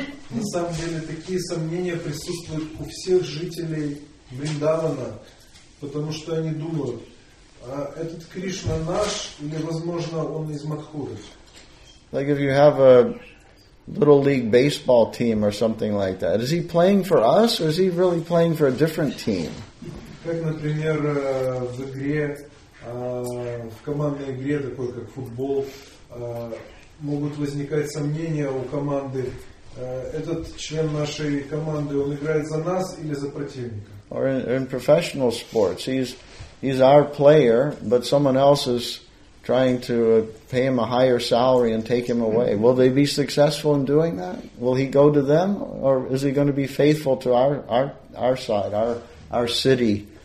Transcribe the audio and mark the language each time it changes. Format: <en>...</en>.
<ru>На самом деле такие сомнения присутствуют у всех жителей Вриндавана. потому что они думают, а этот Кришна наш или, возможно, он из Матхуры.</ru> <en>Like if you have a little league baseball team or something like that, is he playing for us or is he really playing for a different team?</en> <ru>Как, например, в игре, в командной игре такой, как футбол, могут возникать сомнения у команды. Этот член нашей команды, он играет за нас или за противника?</ru> <en>Or in professional sports, he's our player, but someone else is trying to pay him a higher salary and take him away. Will they be successful in doing that? Will he go to them, or is he going to be faithful to our side, our city?</en>